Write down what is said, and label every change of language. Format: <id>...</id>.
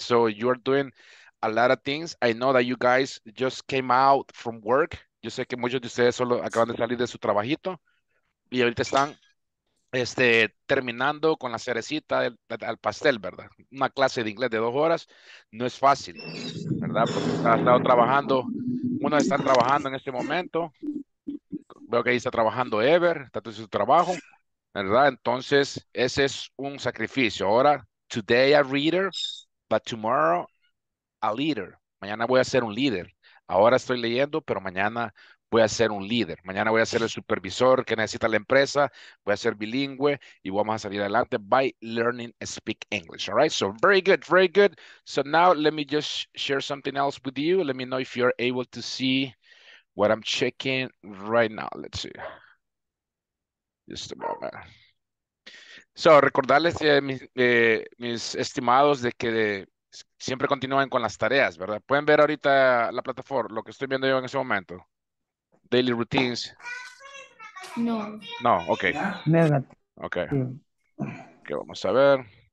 <en>So you are doing a lot of things. I know that you guys just came out from work.</en> <es>Yo sé que muchos de ustedes solo acaban de salir de su trabajito y ahorita están terminando con la cerecita al pastel, ¿verdad? Una clase de inglés de 2 horas no es fácil, ¿verdad? Porque ha estado trabajando, uno está trabajando en este momento. Veo que ahí está trabajando Ever, está haciendo su trabajo, ¿verdad? Entonces, ese es un sacrificio. Ahora,</es> <en>today a reader, but tomorrow a leader.</en> <es>Mañana voy a ser un líder. Ahora estoy leyendo, pero mañana voy a ser un líder. Mañana voy a ser el supervisor que necesita la empresa. Voy a ser bilingüe y vamos a salir adelante</es> <en>by learning to speak English. All right, so very good, very good. So now let me just share something else with you. Let me know if you're able to see what I'm checking right now. Let's see. Just a moment.</en> <es>So, recordarles, mis estimados, de que siempre continúan con las tareas, ¿verdad? Pueden ver ahorita la plataforma, lo que estoy viendo yo en ese momento.</es> <en>Daily routines. No.</en> <es>No, okay. Okay. Okay, vamos a ver.</es>